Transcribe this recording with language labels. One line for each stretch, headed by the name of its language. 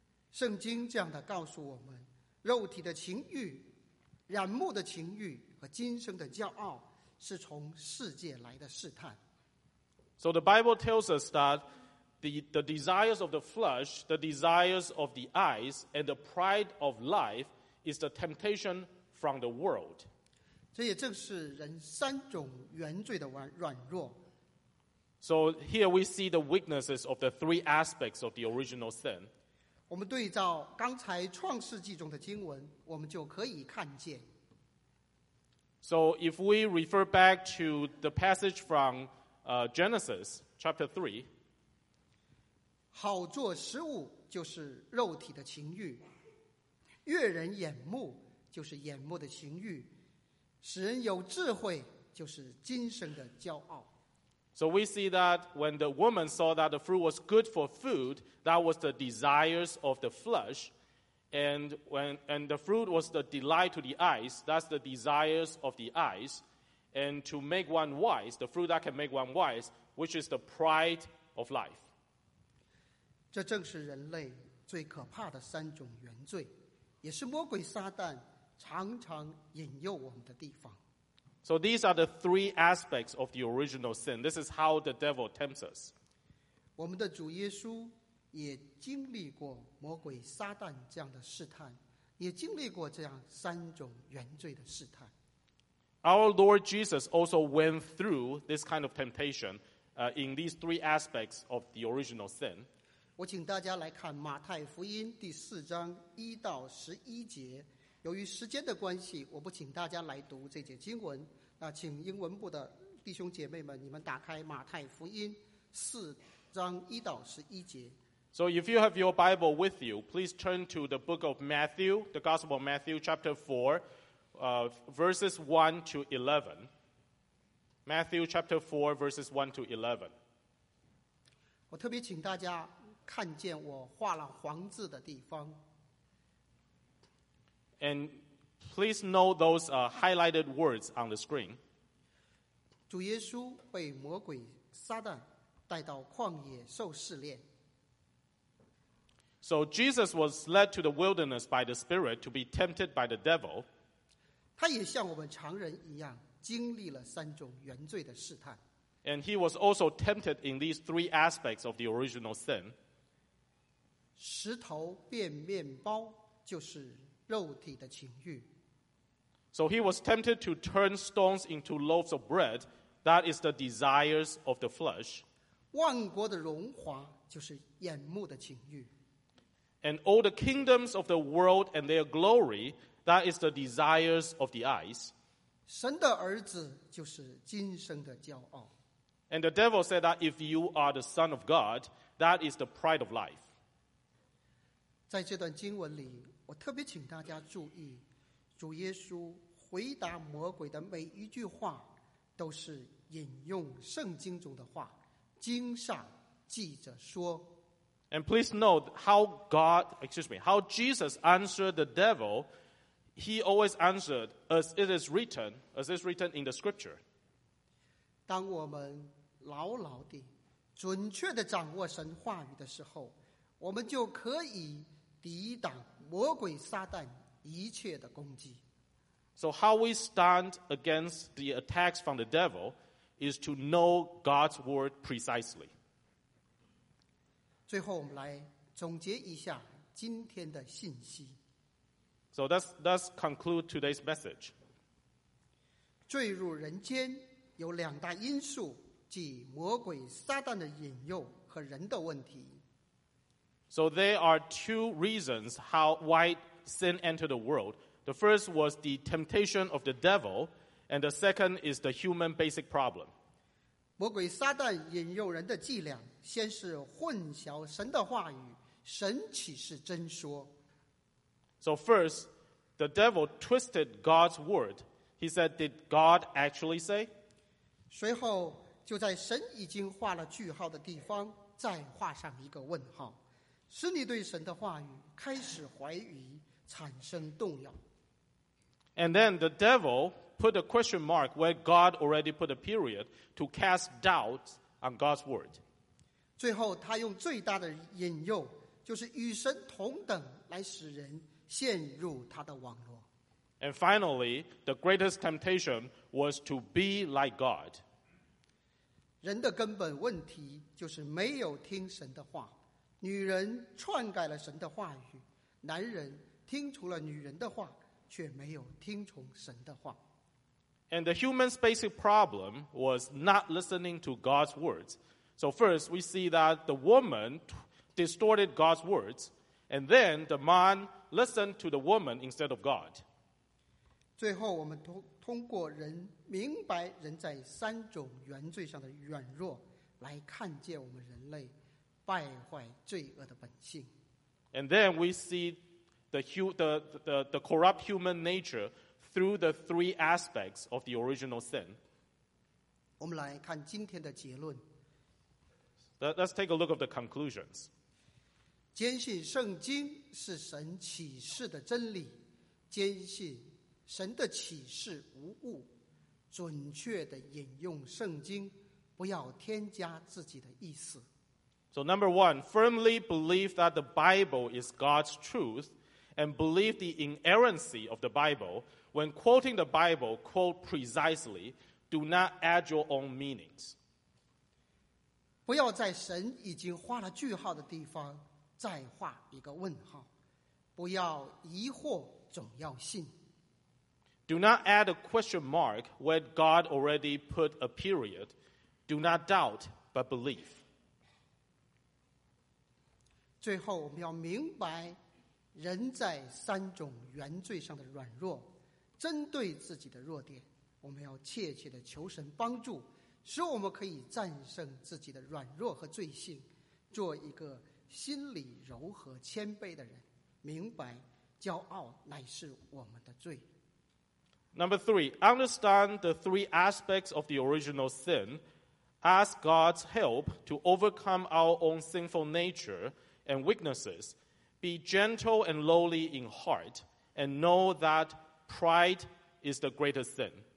Chinese: 圣经这样的告诉我们，肉体的情欲、眼目的情欲和今生的骄傲是从世界来的试探。
English: So the Bible tells us that the desires of the flesh, the desires of the eyes, and the pride of life is the temptation from the world.
Chinese: 这也正是人三种原罪的软弱。
English: So here we see the weaknesses of the three aspects of the original sin.
Chinese: 我们对照刚才创世纪中的经文，我们就可以看见。
English: So if we refer back to the passage from Genesis chapter 3,
Chinese: 好做食物就是肉体的情欲，悦人眼目就是眼目的情欲，使人有智慧就是今生的骄傲。
English: So we see that when the woman saw that the fruit was good for food, that was the desires of the flesh, And the fruit was the delight to the eyes, that's the desires of the eyes. And to make one wise, the fruit that can make one wise, which is the pride of life.
Chinese: 这正是人类最可怕的三种原罪，也是魔鬼撒旦常常引诱我们的地方。
English: So these are the three aspects of the original sin. This is how the devil tempts us.
Chinese: 我们的主耶稣也经历过魔鬼撒旦这样的试探，也经历过这样三种原罪的试探。
English: Our Lord Jesus also went through this kind of temptation in these three aspects of the original sin.
Chinese: 我请大家来看马太福音第四章一到十一节。由于时间的关系，我不请大家来读这节经文。那请英文部的弟兄姐妹们，你们打开马太福音四章一到十一节。
English: So if you have your Bible with you, please turn to the book of Matthew, the Gospel of Matthew, chapter 4, verses 1 to 11. Matthew chapter 4, verses 1 to 11.
Chinese: 我特别请大家看见我画了黄字的地方。
English: And please note those highlighted words on the screen.
Chinese: 主耶稣被魔鬼撒旦带到旷野受试炼。
English: So Jesus was led to the wilderness by the Spirit to be tempted by the devil.
Chinese: 他也像我们常人一样经历了三种原罪的试探。
English: And he was also tempted in these three aspects of the original sin.
Chinese: 石头变面包就是肉体的情欲。
English: So he was tempted to turn stones into loaves of bread. That is the desires of the flesh.
Chinese: 万国的荣华就是眼目的情欲。
English: And all the kingdoms of the world and their glory, that is the desires of the eyes.
Chinese: 神的儿子就是今生的骄傲。
English: And the devil said that if you are the son of God, that is the pride of life.
Chinese: 在这段经文里，我特别请大家注意，主耶稣回答魔鬼的每一句话，都是引用圣经中的话，经上记着说。
English: And please note how Jesus answered the devil, he always answered as it is written in the scripture.
Chinese: 当我们牢牢地、准确地掌握神话语的时候，我们就可以抵挡魔鬼撒旦一切的攻击。
English: So how we stand against the attacks from the devil is to know God's word precisely.
Chinese: 最后我们来总结一下今天的信息。
English: So let's conclude today's message.
Chinese: 坠入人间有两大因素，即魔鬼撒旦的引诱和人的问题。
English: So there are two reasons why sin entered the world. The first was the temptation of the devil, and the second is the human basic problem.
Chinese: 魔鬼撒旦引诱人的伎俩先是混淆神的话语，神岂是真说。
English: So first, the devil twisted God's word. He said, did God actually say?
Chinese: 随后就在神已经画了句号的地方再画上一个问号，使你对神的话语开始怀疑，产生动摇。
English: And then the devil put a question mark where God already put a period to cast doubt on God's word.
Chinese: 最后他用最大的引诱就是与神同等来使人陷入他的网络。
English: And finally, the greatest temptation was to be like God.
Chinese: 人的根本问题就是没有听神的话。女人篡改了神的话语，男人听从了女人的话，却没有听从神的话。
English: And the human's basic problem was not listening to God's words. So first, we see that the woman distorted God's words, and then the man listened to the woman instead of God.
Chinese: 最后我们通过人明白人在三种原罪上的软弱，来看见我们人类败坏罪恶的本性。
English: And then we see the corrupt human nature through the three aspects of the original sin.
Chinese: 我们来看今天的结论。
English: Let's take a look at the conclusions.
Chinese: 坚信圣经是神启示的真理，坚信神的启示无误，准确地引用圣经，不要添加自己的意思。
English: So number one, firmly believe that the Bible is God's truth and believe the inerrancy of the Bible. When quoting the Bible, quote precisely. Do not add your own meanings.
Chinese: 不要在神已经画了句号的地方再画一个问号。不要疑惑，总要信。
English: Do not add a question mark when God already put a period. Do not doubt, but believe.
Chinese: 最后我们要明白人在三种原罪上的软弱，针对自己的弱点，我们要切切地求神帮助，使我们可以战胜自己的软弱和罪性，做一个心里柔和谦卑的人，明白骄傲乃是我们的罪。
English: Number three, understand the three aspects of the original sin. Ask God's help to overcome our own sinful nature and weaknesses. Be gentle and lowly in heart, and know that pride is the greatest sin.